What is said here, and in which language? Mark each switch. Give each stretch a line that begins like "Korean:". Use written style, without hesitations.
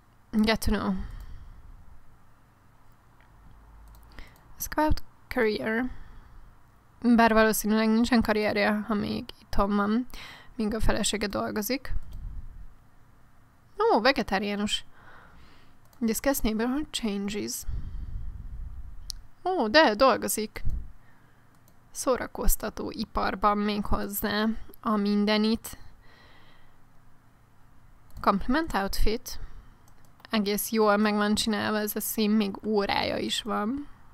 English: Get to know. It's about career.
Hungarian: Bár valószínűleg nincsen karrierje, ha még itthon van, míg a felesége dolgozik. Ó, oh, vegetáriánus.
English: Discuss neighborhood changes.
Hungarian: Ó, oh, de dolgozik. Szórakoztató iparban még hozzá a mindenit.
English: Compliment outfit.
Hungarian: Egész jól meg van csinálva ez a szín, még órája is van.